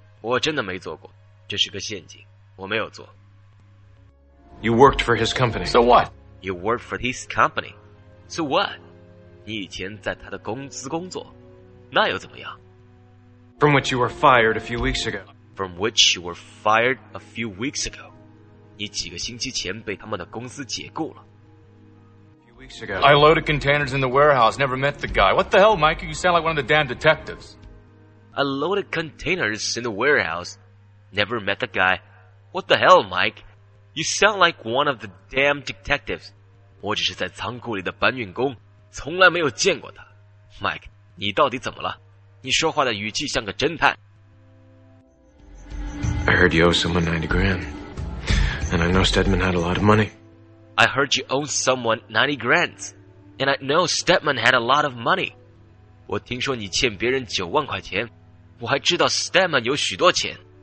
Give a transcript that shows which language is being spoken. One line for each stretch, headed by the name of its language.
Chinese: 我真的没做过，这是个陷阱，我没有做。
English: You worked for his company. So what? You worked for his company. So what?
Chinese: 你以前在他的公司工作，那又怎么样？
English: From which you were fired a few weeks ago. From which you were fired a few weeks ago.
Chinese: 你几个星期前被他们的公司解雇了。
English: A few weeks ago. I loaded containers in the warehouse. Never met the guy. What the hell, Mike? You sound like one of the damn detectives. I loaded containers in the warehouse. Never met the guy. What the hell, Mike? You sound like one of the damn detectives.
Chinese: 我只是在仓库里的搬运工，从来没有见过他。 Mike, 你到底怎么了？你说话的语气像个侦探。
English: I heard you owe someone $90,000, and I know Stedman had a lot of money. I heard you owe someone $90,000, and I know Stedman had a lot of money.
Chinese: 我听说你欠别人90,000块钱，我还知道 Stedman 有许多钱。